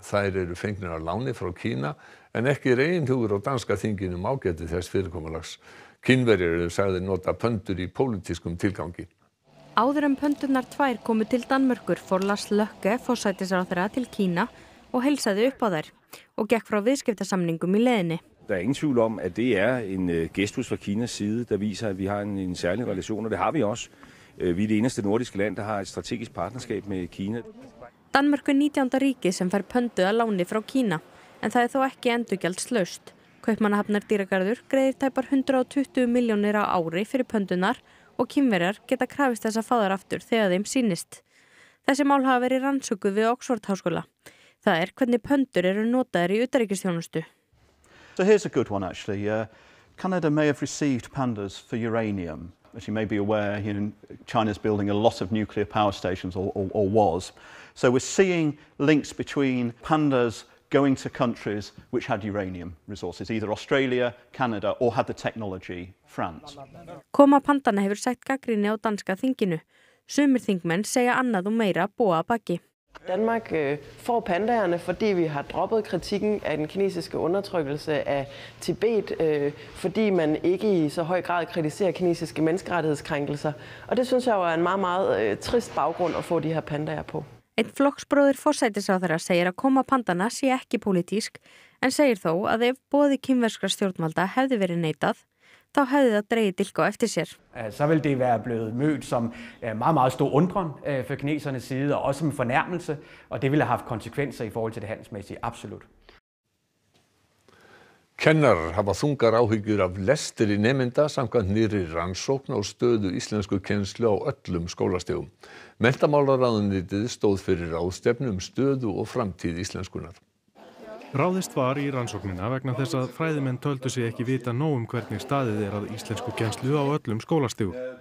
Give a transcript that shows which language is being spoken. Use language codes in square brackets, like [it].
[is] Þær eru fengnar að láni frá Kína en ekki er einhugur á danska þinginu ágæti þess fyrirkomulags. Kínverjar eru sagðir nota pöndur í pólitískum tilgangi. Áður pöndurnar tvær komu til Danmörkur fór Lars Løkke forsætisráðherra til Kína og heilsaði upp á þær og gekk frá viðskiptasamningum í leiðinni. [da] Der er ingen tvivl om at det er en gestus fra Kinas side der viser at vi har en særlig relation og det har vi også. Vi er det eneste nordiske land der har et strategisk partnerskab med Kina. [is] Danmörk er 19. ríki sem fær pöndu að láni frá Kína en það er þó ekki endurgjaldslaust. Kaupmannahafnar dýragarður greiðir tæpar 120 milljónir á ári fyrir pöndunar og kínverjar geta krafist þess að fá þær aftur þegar þeim sýnist. Þessi mál hafa verið rannsökuð við Oxford Háskóla. Það er hvernig pöndur eru notaðir í utanríkisþjónustu. [en] So here's a good one actually. Canada may have received pandas for uranium. As you may be aware, China's building a lot of nuclear power stations or was. So we're seeing links between pandas going to countries which had uranium resources, either Australia, Canada or had the technology, France. [is] Koma pandana hefur sætt gagnrýni á danska þinginu. Sumir þingmenn segja annað og meira búa að baki. [da] Danmark får pandaerne, fordi vi har droppet kritikken af den kinesiske undertrykkelse af Tibet, fordi man ikke i så høj grad kritiserer kinesiske menneskerettighedskrænkelser. Og det synes jeg er en meget, meget trist baggrund at få de her pandaer på. [is] Einn flokksbróðir forsætisráðherra segir að koma pandana sé ekki pólitísk, en segir þó að ef boði kínverskra stjórnvalda hefði verið neitað, þá hefði það dregið dilk á eftir sér. [da] Så vil det være blevet mødt som meget, meget stor undren for kinesernes side og også som fornærmelse, og det ville have haft konsekvenser i forhold til det handelsmæssige, absolut. [is] Kennar hafa þungar áhyggjur af lestri nemenda samkvæmt nýrri rannsókn á stöðu íslensku kennslu á öllum skólastigum. Menntamálaráðuneytið stóð fyrir ráðstefnu stöðu og framtíð íslenskunar. Ráðist var í rannsóknina vegna þess að fræðimenn töldu sig ekki vita nóg hvernig staðið er að íslensku kennslu á öllum skólastigum.